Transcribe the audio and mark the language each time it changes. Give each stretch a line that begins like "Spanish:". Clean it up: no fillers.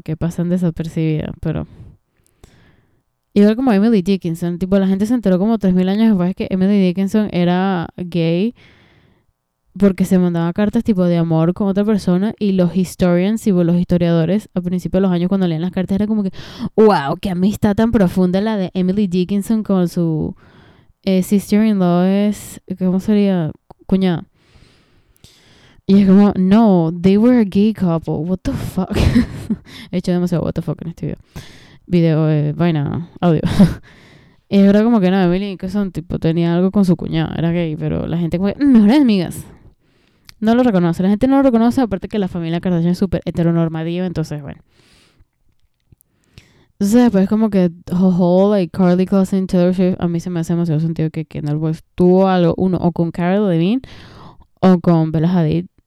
Spanish: Que pasan desapercibidas, pero igual como Emily Dickinson, tipo la gente se enteró como 3.000 años después que Emily Dickinson era gay porque se mandaba cartas tipo de amor con otra persona y los historians, tipo los historiadores, al principio de los años cuando leían las cartas era como que ¡wow! ¡Qué amistad tan profunda la de Emily Dickinson con su sister-in-law es, ¿cómo sería? Cuñada. Y es como, no,
English: they were a gay couple, what the fuck.
Spanish: He hecho demasiado
English: what the fuck
Spanish: en este video. Video, vaina, audio. Y es verdad como que no, Emily Dickinson tipo tenía algo con su cuñada, era gay, pero la gente como que, mejores amigas. No lo reconoce, la gente no lo reconoce, aparte que la familia Kardashian es súper heteronormativa, entonces, bueno. Entonces después pues, como que, like, Karlie Kloss y Taylor Swift, a mí se me hace demasiado sentido que Kendall West tuvo algo, uno, o con Cara Delevingne, o con Bella Hadid.